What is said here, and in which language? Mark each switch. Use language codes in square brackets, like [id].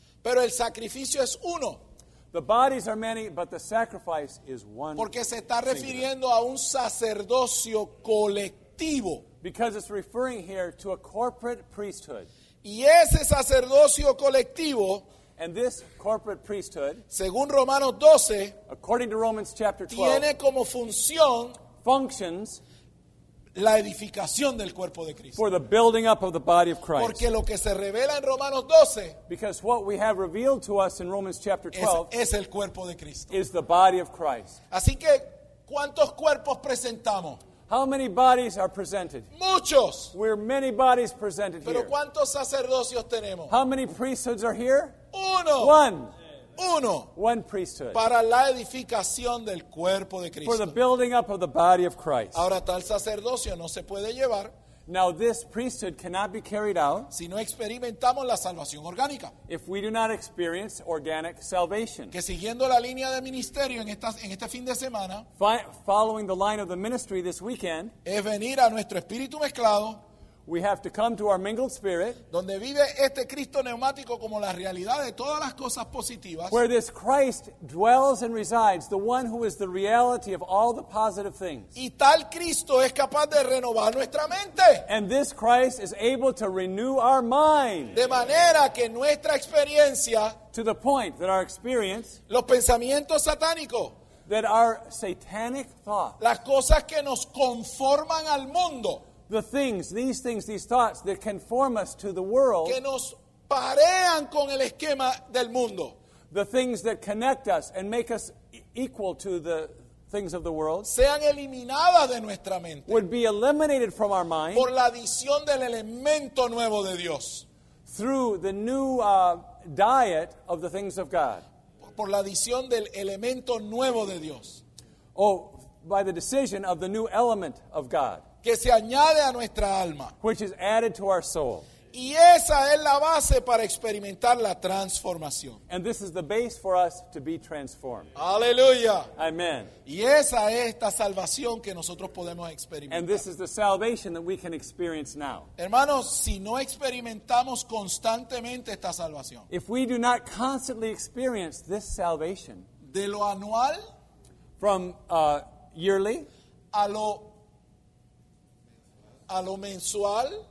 [es] Pero el sacrificio es uno. [en] The bodies are many, but the sacrifice is one. [es] Porque se está refiriendo a un sacerdocio colectivo. [en] Because it's referring here to a corporate priesthood. [es] Y ese sacerdocio colectivo. [en] And this corporate priesthood, [es] según Romanos 12, [en] according to Romans chapter 12, [es] tiene como función, [en] functions, [es] la edificación del cuerpo de Cristo. [en] For the building up of the body of Christ. [es] Porque lo que se revela en Romanos 12, [en] because what we have revealed to us in Romans chapter 12, [es] es el cuerpo de Cristo. [en] Is the body of Christ. [es] Así que, ¿cuántos cuerpos presentamos? [en] How many bodies are presented? [es] Muchos. [en] We're many bodies presented. [es] Pero [en] here. [es] ¿Cuántos sacerdocios tenemos? [en] How many priesthoods are here? [es] Uno. [en] One. [es] Uno. [en] One priesthood. [es] Para la edificación del cuerpo de Cristo. [en] For the building up of the body of Christ. [es] Ahora tal sacerdocio no se puede llevar. [en] Now this priesthood cannot be carried out. [es] Si no experimentamos la salvación orgánica. [en] If we do not experience organic salvation. [es] Que siguiendo la línea de ministerio en este fin de semana. [en] Following the line of the ministry this weekend. [es] Es venir a nuestro espíritu mezclado. [en] We have to come to our mingled spirit. [es] Donde vive este Cristo neumático como la realidad de todas las cosas positivas. [en] Where this Christ dwells and resides, the one who is the reality of all the positive things. [es] Y tal Cristo es capaz de renovar nuestra mente. [en] And this Christ is able to renew our mind. [es] De manera que nuestra experiencia. [en] To the point that our experience. [es] Los pensamientos satánicos. [en] That our satanic thoughts. [es] Las cosas que nos conforman al mundo. [en] These things, these thoughts that conform us to the world. [es] Que nos parean con el esquema del mundo. [en] The things that connect us and make us equal to the things of the world. [es] Sean eliminadas de nuestra mente. [en] Would be eliminated from our mind. [es] Por la adición del elemento nuevo de Dios. [en] Through the new diet of the things of God. [es] Por la adición del elemento nuevo de Dios. [en] Oh, by the decision of the new element of God. [es] Que se añade a nuestra alma. [en] Which is added to our soul. [es] Y esa es la base para experimentar la transformación. [en] And this is the base for us to be transformed. [es] Aleluya. [en] Amen. [es] Y esa es esta salvación que nosotros podemos experimentar. [en] And this is the salvation that we can experience now. [es] Hermanos, si no experimentamos constantemente esta salvación. [en] If we do not constantly experience this salvation. [es] De lo anual. [en] From yearly. [es] A lo mensual.